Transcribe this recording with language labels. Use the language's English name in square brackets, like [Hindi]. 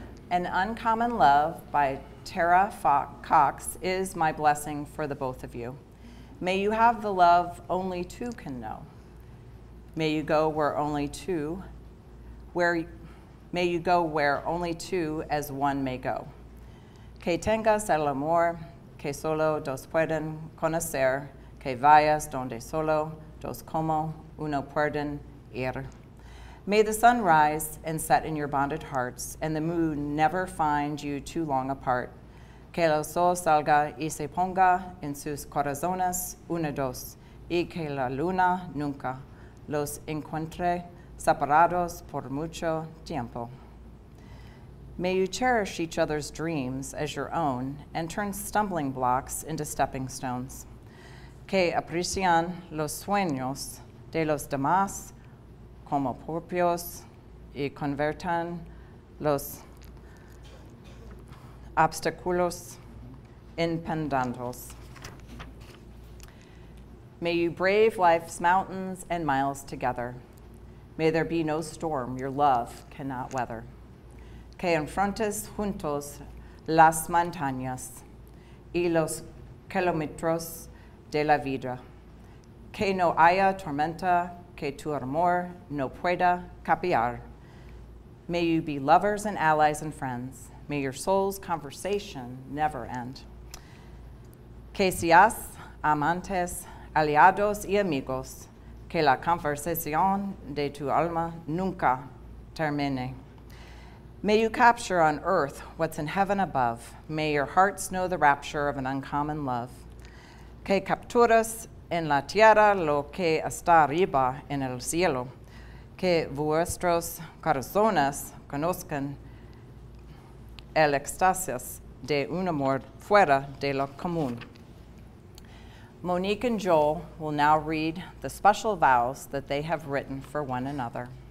[English] An Uncommon Love by Tara Cox is my blessing for the both of you. May you have the love only two can know. May you go where only two as one may go. [Spanish] Que tengas el amor que solo dos pueden conocer, que vayas donde solo dos como uno pueden ir. [English] May the sun rise and set in your bonded hearts, and the moon never find you too long apart. [Spanish] Que el sol salga y se ponga en sus corazones unidos, y que la luna nunca los encuentre separados por mucho tiempo. [English] May you cherish each other's dreams as your own and turn stumbling blocks into stepping stones. [Spanish] Que aprecien los sueños de los demás como propios y convertan los obstáculos en pendientes. [English] May you brave life's mountains and miles together. May there be no storm your love cannot weather. [Spanish] Que enfrentes juntos las montañas y los kilómetros de la vida. Que no haya tormenta que tu amor no pueda cambiar. [English] May you be lovers and allies and friends. May your soul's conversation never end. [Spanish] Que seas amantes, aliados y amigos. Que la conversación de tu alma nunca termine. [English] May you capture on earth what's in heaven above. May your hearts know the rapture of an uncommon love. [Spanish] Que capturas en la tierra lo que está arriba en el cielo. Que vuestros corazones conozcan el éxtasis de un amor fuera de lo común. [English] Monique and Joel will now read the special vows that they have written for one another.